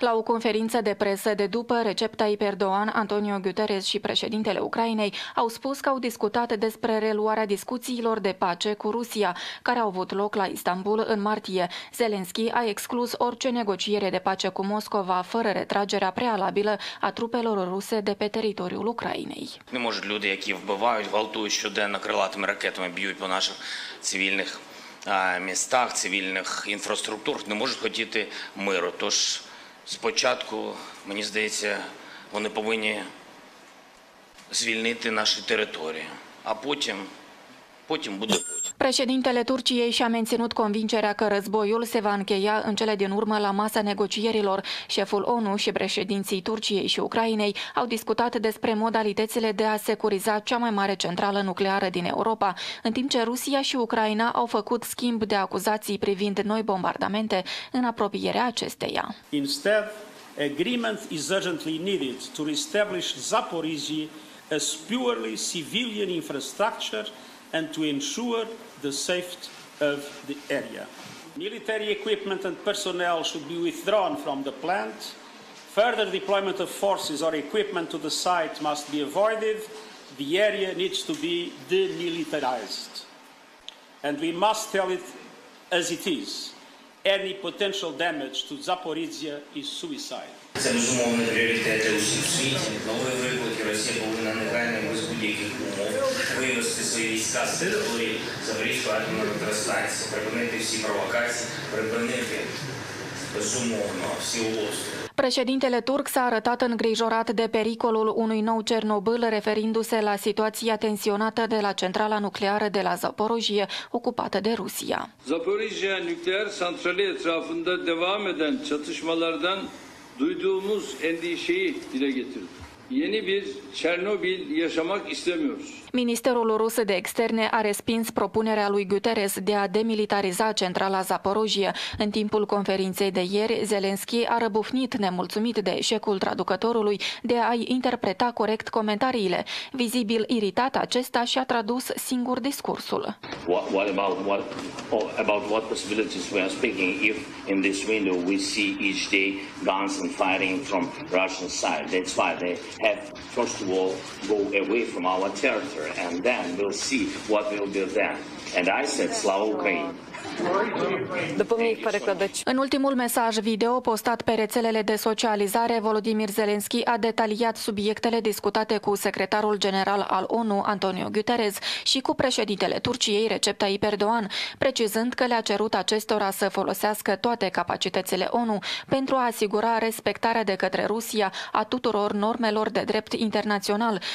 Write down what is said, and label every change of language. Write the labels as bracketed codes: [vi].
[ro] La o conferință de presă de după, Recep Tayyip Erdogan, Antonio Guterres și președintele Ucrainei au spus că au discutat despre reluarea discuțiilor de pace cu Rusia, care au avut loc la Istanbul în martie. Zelensky a exclus orice negociere de pace cu Moscova fără retragerea prealabilă a trupelor ruse de pe teritoriul Ucrainei. Nu pot oamenii care [uk] вбивають, гвалтують щоденно крилатими ракетами, б'ють по наших цивільних містах, цивільних інфраструктурах, не можуть хотіти миру. Тож спочатку, мені здається, вони повинні звільнити наші території, а потім, буде. [ro] Președintele Turciei și-a menținut convingerea că războiul se va încheia în cele din urmă la masa negocierilor. Șeful ONU și președinții Turciei și Ucrainei au discutat despre modalitățile de a securiza cea mai mare centrală nucleară din Europa, în timp ce Rusia și Ucraina au făcut schimb de acuzații privind noi bombardamente în apropierea acesteia. [en] Instead, agreement is urgently needed to reestablish Zaporizhzhia as purely civilian infrastructure and to ensure the safety of the area. Military equipment and personnel should be withdrawn from the plant. Further deployment of forces or equipment to the site must be avoided. The area needs to be demilitarized. And we must tell it as it is. Any potential damage to Zaporizhzhia is suicide. [uk] Це безумовно пріоритети усі в світі. Нові виклики Росія повинна негайно без будь-яких умов вивести свої війська з території Запорізької атомної електростанції, припинити всі провокації, припинити безумовно всі угрози. [ro] Președintele turc s-a arătat îngrijorat de pericolul unui nou Cernobâl, referindu-se la situația tensionată de la centrala nucleară de la Zaporojie, ocupată de Rusia. [tr] Zaporojie nükleer santrali etrafında devam eden çatışmalardan duyduğumuz endişeyi dile getirdi. Yeni bir Çernobil yaşamak istemiyoruz. [ro] Ministerul rus de externe a respins propunerea lui Guterres de a demilitariza centrala Zaporojie. În timpul conferinței de ieri, Zelensky a răbufnit nemulțumit de eșecul traducătorului de a-i interpreta corect comentariile. Vizibil iritat, acesta și-a tradus singur discursul. [en] What possibilities we are speaking if in this window we see each day guns and firing from Russian side? That's why they have first of all go away from our territory. And then we'll see what we'll do then. And I said, Slava Ukraini. [ro] În ultimul mesaj video postat pe rețelele de socializare, Volodymyr Zelensky a detaliat subiectele discutate cu secretarul general al ONU, Antonio Guterres, și cu președintele Turciei, Recep Tayyip Erdogan, precizând că le-a cerut acestora să folosească toate capacitățile ONU pentru a asigura respectarea de către Rusia a tuturor normelor de drept internațional.